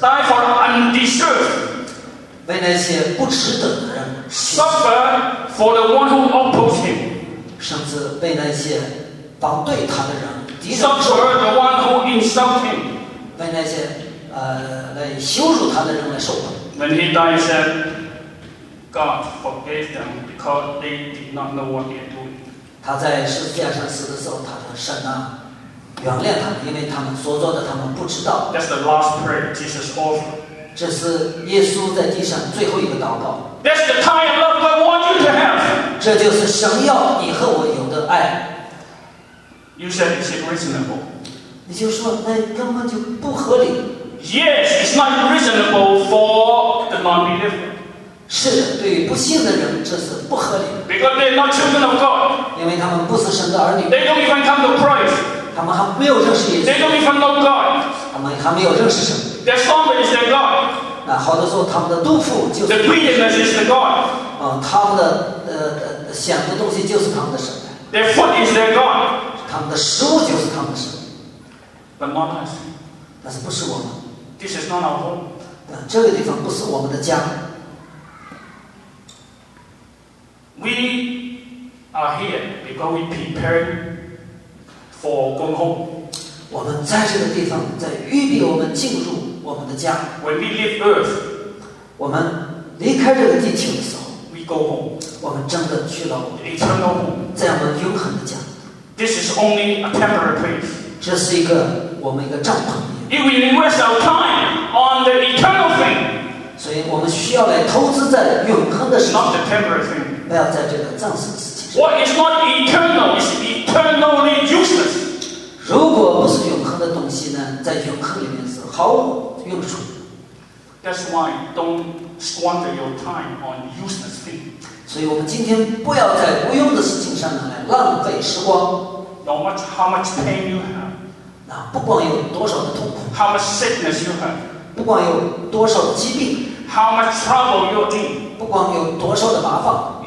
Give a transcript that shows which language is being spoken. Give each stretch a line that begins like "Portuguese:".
English: Die for the undeserved，
Chinese: 为那些不值得的人。
English: Suffer for the one who opposes him，
Chinese: 甚至为那些反对他的人、敌人。
English: Suffer the one who insults him，
Chinese: 为那些来羞辱他的人来受苦。
English: When he died, said, God forgave them because they did not know what they're doing。
Chinese: 他在十字架上死的时候，他说：“神啊，原谅他们，因为他们所做的，他们不知道。”
English: That's the last prayer Jesus offered。
Chinese: 这是耶稣在地上最后一个祷告。
English: That's the kind of love I want you to have。
Chinese: 这就是神要你和我有的爱。
English: You said it's unreasonable。
Chinese: 你就说那根本就不合理。
English: Yes, it's not reasonable for the non-believer。
Chinese: 是的，对于不信的人，这是不合理。
English: Because they're not children of God。
Chinese: 因为他们不是神的儿女。
English: They don't even come to Christ。
Chinese: 他们还没有认识耶稣。
English: They don't even know God。
Chinese: 他们还没有认识神。
English: Their father is their God。
Chinese: 那好多时候，他们的督父就是。
English: Their greediness is their God。
Chinese: 他们的想的东西就是他们的神。
English: Their food is their God。
Chinese: 他们的食物就是他们的神。
English: But not us。
Chinese: 但是不是我们。
English: This is not our home。
Chinese: 这个地方不是我们的家。
English: We are here because we prepare for going home。
Chinese: 我们在这个地方，在预备我们进入我们的家。
English: When we leave Earth，
Chinese: 我们离开这个地球的时候
English: ，we go home。
Chinese: 我们真的去了
English: eternal home，
Chinese: 在我们永恒的家。
English: This is only a temporary place。
Chinese: 这是一个我们一个帐篷。
English: If we invest our time on the eternal thing，
Chinese: 所以我们需要来投资在永恒的事情。
English: Not the temporary thing。
Chinese: 不要在这个暂时的事情。
English: What is not eternal is eternally useless。
Chinese: 如果不是永恒的东西呢，在永恒里面是毫无用处。
English: That's why don't squander your time on useless things。
Chinese: 所以我们今天不要在无用的事情上面来浪费时光。
English: No matter how much pain you have。
Chinese: 那不管有多少的痛苦。
English: How much sickness you have。
Chinese: 不管有多少的疾病。
English: How much trouble you are in。
Chinese: 不光有多少的麻烦，